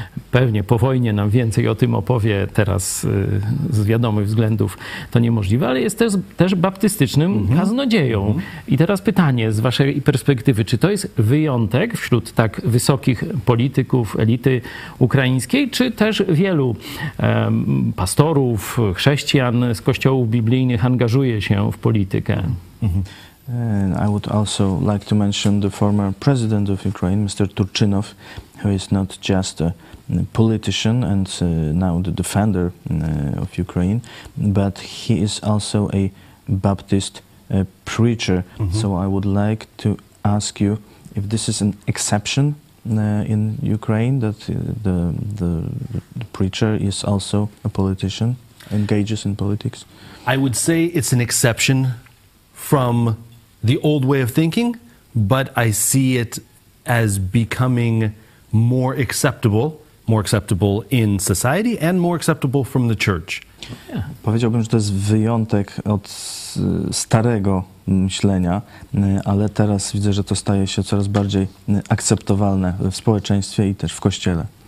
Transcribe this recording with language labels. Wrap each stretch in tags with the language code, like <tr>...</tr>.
<pl>Pewnie po wojnie nam więcej o tym opowie, teraz z wiadomych względów to niemożliwe, ale jest też baptystycznym kaznodzieją. I teraz pytanie z waszej perspektywy, czy to jest wyjątek wśród tak wysokich polityków, elity ukraińskiej, czy też wielu pastorów, chrześcijan z kościołów biblijnych angażuje się w politykę?</pl> <en>And I would also like to mention the former president of Ukraine, Mr. Turchynov, who is not just a politician and now the defender of Ukraine, but he is also a Baptist preacher. So I would like to ask you if this is an exception in Ukraine, that the preacher is also a politician, engages in politics? I would say it's an exception from the old way of thinking, but I see it as becoming more acceptable in society and more acceptable from the church. Yeah.</en> <pl>Powiedziałbym, że to jest wyjątek od starego myślenia, ale teraz widzę, że to staje się coraz bardziej akceptowalne w społeczeństwie i też w kościele.</pl>